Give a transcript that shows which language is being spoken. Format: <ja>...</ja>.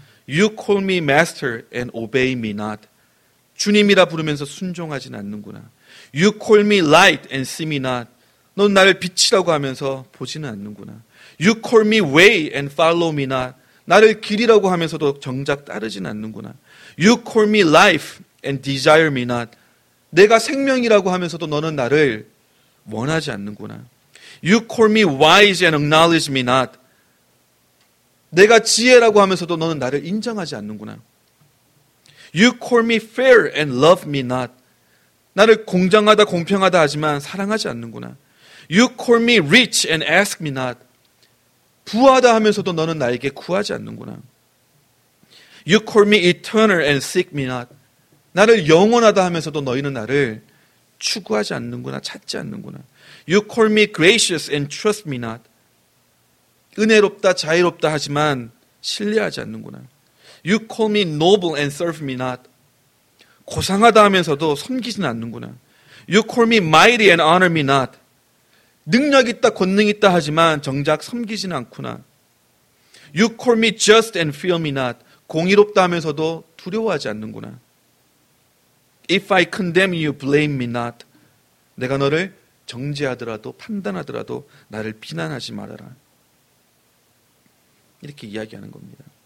<en>You call me master and obey me not.</en> <ko>주님이라 부르면서 순종하지는 않는구나.</ko> <en>You call me light and see me not.</en> <ko>넌 나를 빛이라고 하면서 보지는 않는구나.</ko> <en>You call me way and follow me not.</en> <ko>나를 길이라고 하면서도 정작 따르지는 않는구나.</ko> <en>You call me life and desire me not.</en> <ko>내가 생명이라고 하면서도 너는 나를 원하지 않는구나.</ko> <en>You call me wise and acknowledge me not.</en> <ko>내가 지혜라고 하면서도 너는 나를 인정하지 않는구나.</ko> <en>You call me fair and love me not.</en> <ko>나를 공정하다 공평하다 하지만 사랑하지 않는구나.</ko> <en>You call me rich and ask me not.</en> <ko>부하다 하면서도 너는 나에게 구하지 않는구나.</ko> <en>You call me eternal and seek me not.</en> <ko>나를 영원하다 하면서도 너희는 나를 추구하지 않는구나, 찾지 않는구나.</ko> <en>You call me gracious and trust me not.</en> <ko>은혜롭다 자유롭다 하지만 신뢰하지 않는구나.</ko> <en>You call me noble and serve me not.</en> <ko>고상하다 하면서도 섬기지는 않는구나.</ko> <en>You call me mighty and honor me not.</en> <ko>능력 있다 권능 있다 하지만 정작 섬기지는 않구나.</ko> <en>You call me just and fear me not.</en> <ko>공의롭다 하면서도 두려워하지 않는구나.</ko> <en>If I condemn you, blame me not.</en> <ko>내가 너를 정죄하더라도 판단하더라도 나를 비난하지 말아라. 이렇게 이야기하는 겁니다.</ko>